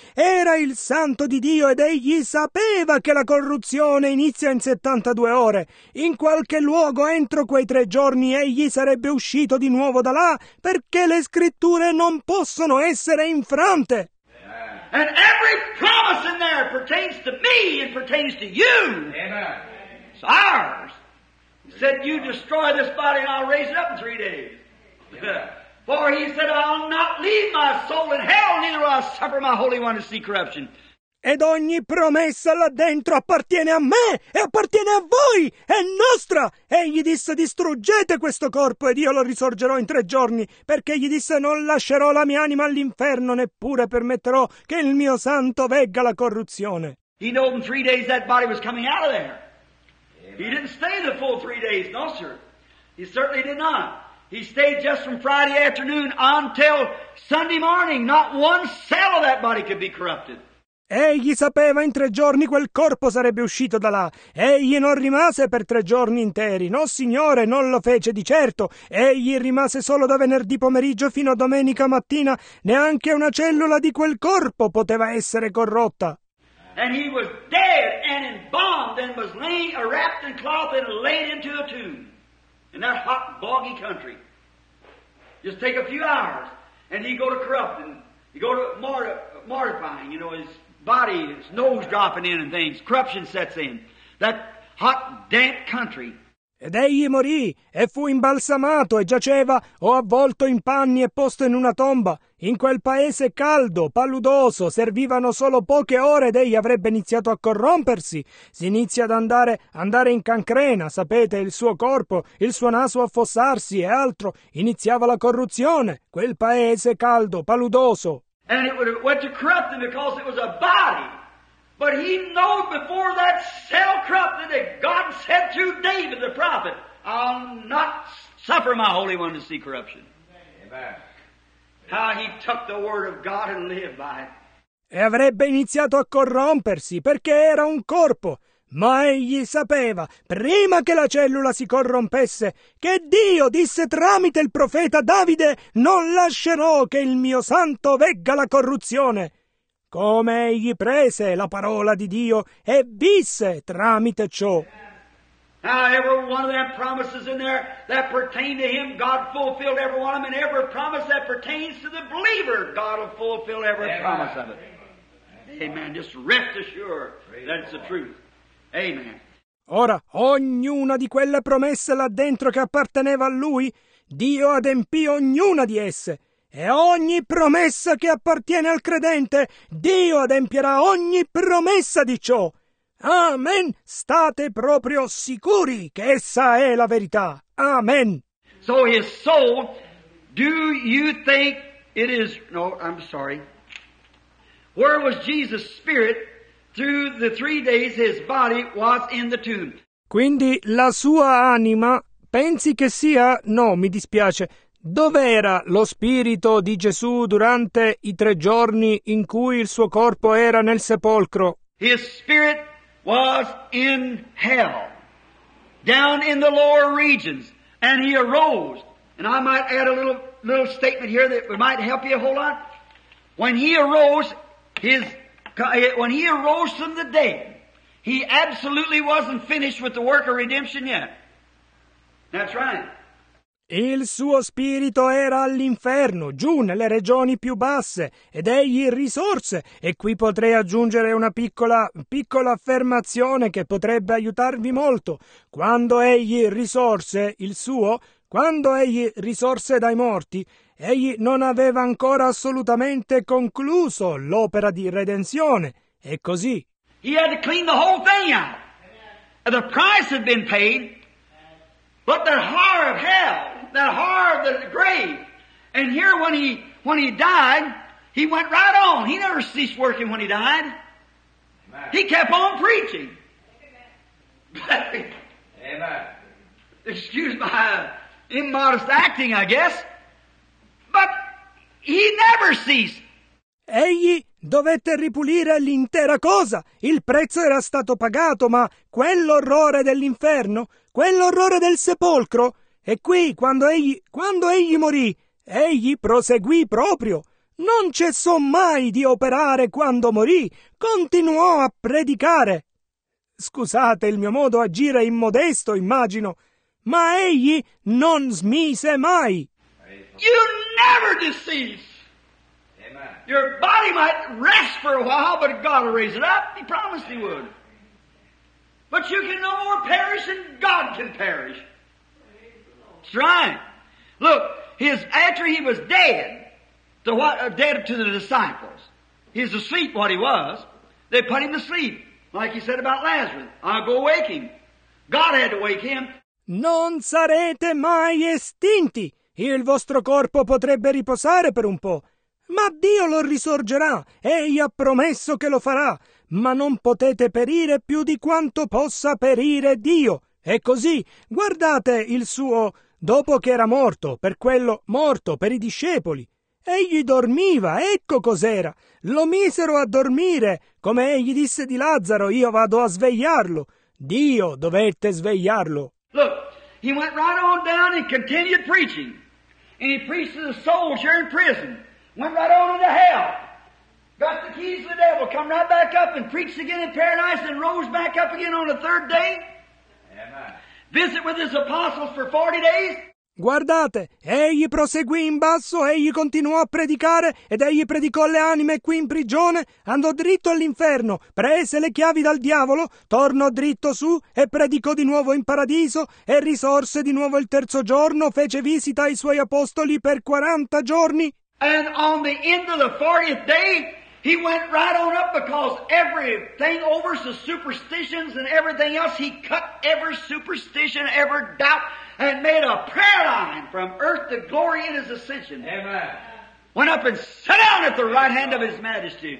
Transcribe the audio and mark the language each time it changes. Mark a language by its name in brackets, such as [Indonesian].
[Italian] Era il santo di Dio ed egli sapeva che la corruzione inizia in 72 ore. In qualche luogo entro quei 3 giorni egli sarebbe uscito di nuovo da là, perché le scritture non possono essere infrante. [English] And every promise in there pertains to me and pertains to you. Amen. It's ours. He said, you destroy this body and I'll raise it up in 3 days. Yeah. For he said, I'll not leave my soul in hell, neither will I suffer my Holy One to see corruption. [Italian] Ed ogni promessa là dentro appartiene a me e appartiene a voi, è nostra. Egli disse, distruggete questo corpo ed io lo risorgerò in 3 giorni, perché gli disse, non lascerò la mia anima all'inferno, neppure permetterò che il mio santo vegga la corruzione. [English] He knew in 3 days that body was coming out of there. He didn't stay the full 3 days, no sir. He certainly did not. He stayed just from Friday afternoon until Sunday morning. Not one cell of that body could be corrupted. [Italian] Egli sapeva in 3 giorni quel corpo sarebbe uscito da là. Egli non rimase per 3 giorni interi. No, Signore, non lo fece di certo. Egli rimase solo da venerdì pomeriggio fino a domenica mattina. Neanche una cellula di quel corpo poteva essere corrotta. [English] And he was dead and embalmed and was laying, wrapped in cloth and laid into a tomb in that hot, boggy country. Just take a few hours and he'd go to corrupting. He'd go to mortifying, you know, his body, his nose dropping in and things. Corruption sets in. That hot, damp country. [Italian] Ed egli morì e fu imbalsamato e giaceva o avvolto in panni e posto in una tomba. In quel paese caldo, paludoso, servivano solo poche ore ed egli avrebbe iniziato a corrompersi. Si inizia ad andare in cancrena, sapete, il suo corpo, il suo naso affossarsi e altro. Iniziava la corruzione. Quel paese caldo, paludoso. [English] And it went to corrupting because it was a body. But he knew before that cell corrupted that God said to David the prophet, I'll not suffer my Holy One to see corruption. Amen. How he took the word of God and lived by it. [Italian] E avrebbe iniziato a corrompersi perché era un corpo. Ma egli sapeva, prima che la cellula si corrompesse, che Dio disse tramite il profeta Davide, non lascerò che il mio santo vegga la corruzione. come egli prese la parola di Dio e visse tramite ciò. [English] Now every one of them promises in there that pertain to him, God fulfilled every one of them, and every promise that pertains to the believer, God will fulfill every promise of it. Amen. Just rest assured that it's the truth. Amen. [Italian] Ora, ognuna di quelle promesse là dentro che apparteneva a lui, Dio adempì ognuna di esse. E ogni promessa che appartiene al credente, Dio adempierà ogni promessa di ciò. Amen. State proprio sicuri che essa è la verità. Amen. [English] So his soul, do you think it is... No, I'm sorry. Where was Jesus' spirit through the 3 days his body was in the tomb? [Italian] Quindi la sua anima, pensi che sia... No, mi dispiace. Dov'era lo spirito di Gesù durante i 3 giorni in cui il suo corpo era nel sepolcro? [English] His spirit was in hell, down in the lower regions, and he arose. And I might add a little statement here that might help you a whole lot. When he arose, when he arose from the dead, he absolutely wasn't finished with the work of redemption yet. That's right. [Italian] Il suo spirito era all'inferno, giù nelle regioni più basse, ed egli risorse. E qui potrei aggiungere una piccola affermazione che potrebbe aiutarvi molto. Quando egli risorse dai morti, egli non aveva ancora assolutamente concluso l'opera di redenzione. E così. [English] He had to clean the whole thing out. The price had been paid, but the horror of hell, that horror of the grave. And here when he died, he went right on. He never ceased working when he died. Amen. He kept on preaching. Amen. Excuse my immodest acting, I guess. But he never ceased. [Italian] Egli dovette ripulire l'intera cosa. Il prezzo era stato pagato, ma quell'orrore dell'inferno, quell'orrore del sepolcro... E qui, quando egli morì, egli proseguì proprio. Non cessò mai di operare quando morì. Continuò a predicare. Scusate il mio modo di agire immodesto, immagino. Ma egli non smise mai. [English] You never decease. Amen. Your body might rest for a while, but God will raise it up. He promised he would. But you can no more perish than God can perish. That's right. Look, after he was dead, dead to the disciples, he's asleep what he was, they put him to sleep, like he said about Lazarus, I'll go wake him. God had to wake him. [Italian] Non sarete mai estinti, il vostro corpo potrebbe riposare per un po', ma Dio lo risorgerà, egli ha promesso che lo farà, ma non potete perire più di quanto possa perire Dio. E così, guardate il suo... Dopo che era morto, per quello morto, per i discepoli, egli dormiva, ecco cos'era. Lo misero a dormire, come egli disse di Lazzaro, io vado a svegliarlo. Dio dovette svegliarlo. [English] Look, he went right on down and continued preaching. And he preached to the souls here in prison. Went right on into hell. Got the keys of the devil, come right back up and preached again in paradise and rose back up again on the third day. Visit with his apostles for 40 days. [Italian] Guardate, egli proseguì in basso, egli continuò a predicare, ed egli predicò le anime qui in prigione, andò dritto all'inferno, prese le chiavi dal diavolo, tornò dritto su e predicò di nuovo in paradiso, e risorse di nuovo il terzo giorno, fece visita ai suoi apostoli per 40 giorni. [English] And on the end of the 40th day, he went right on up because everything over the superstitions and everything else, he cut every superstition, every doubt, and made a prayer line from earth to glory in his ascension. Amen. Went up and sat down at the right hand of his majesty.